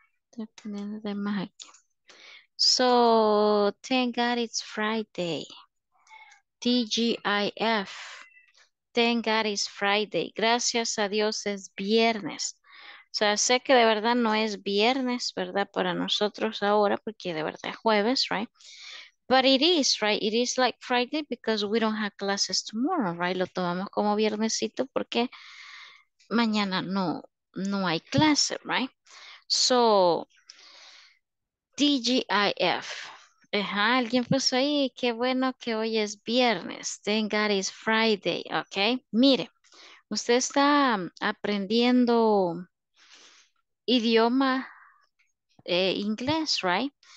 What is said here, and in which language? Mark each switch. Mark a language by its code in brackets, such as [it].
[es] Estoy poniendo de más aquí. [en] So, thank God it's Friday. TGIF. Thank God it's Friday. [es] Gracias a Dios es viernes. O sea, sé que de verdad no es viernes, ¿verdad? Para nosotros ahora, porque de verdad es jueves, right? [en] But it is, right? It is like Friday because we don't have classes tomorrow, right? [es] Lo tomamos como viernesito porque mañana no hay clase, right? [en] So, TGIF. [es] Ajá, alguien puso ahí, qué bueno que hoy es viernes. [en] Thank God it's Friday, [es] ¿ok? Mire, usted está aprendiendo idioma inglés, right?